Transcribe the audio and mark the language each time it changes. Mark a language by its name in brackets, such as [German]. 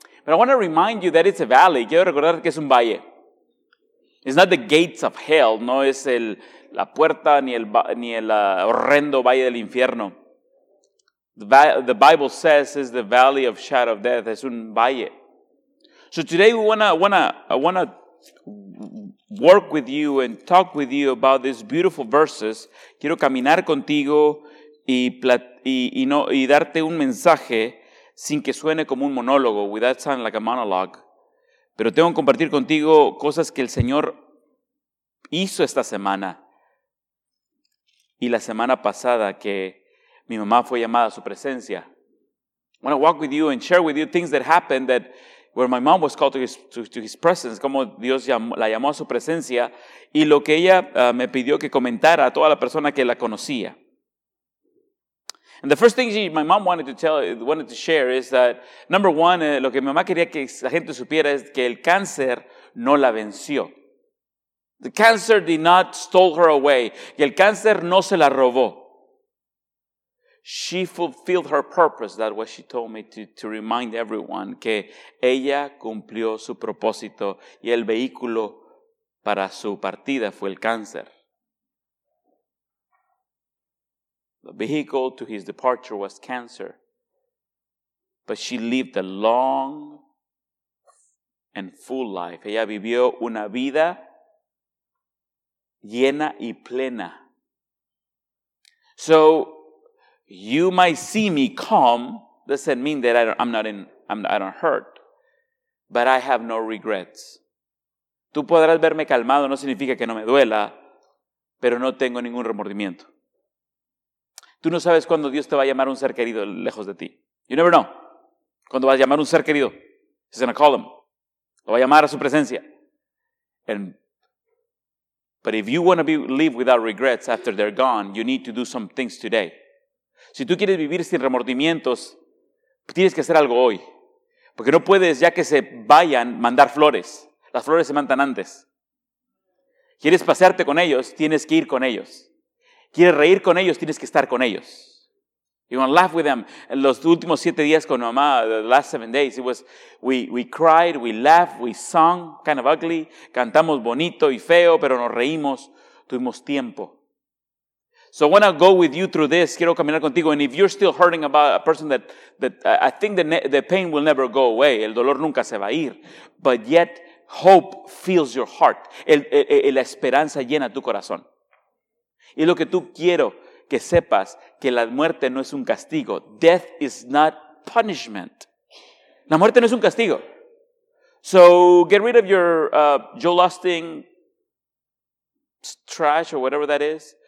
[English] But I want to remind you that it's a valley. [Spanish] Quiero recordar que es un valle. [English] It's not the gates of hell, [Spanish] no es la puerta ni el horrendo valle del infierno. [English] The Bible says it's the valley of shadow of death, [Spanish] es un valle. [English] So today we wanna work with you and talk with you about these beautiful verses. [Spanish] Quiero caminar contigo y darte un mensaje sin que suene como un monólogo, [English] without sounding like a monologue. [Spanish] Pero tengo que compartir contigo cosas que el Señor hizo esta semana y la semana pasada que mi mamá fue llamada a su presencia. [English] I want to walk with you and share with you things that happened that where my mom was called to his presence, [Spanish] como Dios la llamó a su presencia y lo que ella me pidió que comentara a toda la persona que la conocía. [English] And the first thing my mom wanted to share is that, number one, [Spanish] lo que mi mamá quería que la gente supiera es que el cáncer no la venció. [English] The cancer did not stole her away. [Spanish] El cáncer no se la robó. [English] She fulfilled her purpose. That's what she told me to remind everyone. [Spanish] Que ella cumplió su propósito y el vehículo para su partida fue el cáncer. [English] The vehicle to his departure was cancer. But she lived a long and full life. [Spanish] Ella vivió una vida llena y plena. [English] So, you might see me calm. Doesn't mean that I don't hurt. But I have no regrets. [Spanish] Tú podrás verme calmado. No significa que no me duela. Pero no tengo ningún remordimiento. Tú no sabes cuándo Dios te va a llamar un ser querido lejos de ti. [English] You never know. [Spanish] Cuando vas a llamar un ser querido. [English] He's going to call him. [Spanish] Lo va a llamar a su presencia. [English] But if you want to live without regrets after they're gone, you need to do some things today. [Spanish] Si tú quieres vivir sin remordimientos, tienes que hacer algo hoy. Porque no puedes, ya que se vayan, mandar flores. Las flores se mandan antes. Quieres pasearte con ellos, tienes que ir con ellos. Quieres reír con ellos, tienes que estar con ellos. [English] You want to laugh with them. [Spanish] En los últimos 7 días con mamá, [English] the last 7 days, we cried, we laughed, we sung, kind of ugly. [Spanish] Cantamos bonito y feo, pero nos reímos. Tuvimos tiempo. [English] So I want to go with you through this. [Spanish] Quiero caminar contigo. [English] And if you're still hurting about a person that I think the pain will never go away. [Spanish] El dolor nunca se va a ir. [English] But yet, hope fills your heart. [Spanish] La esperanza llena tu corazón. Y lo que tú quiero que sepas que la muerte no es un castigo. [English] Death is not punishment. [Spanish] La muerte no es un castigo. [English] So get rid of your Joel Osteen trash or whatever that is.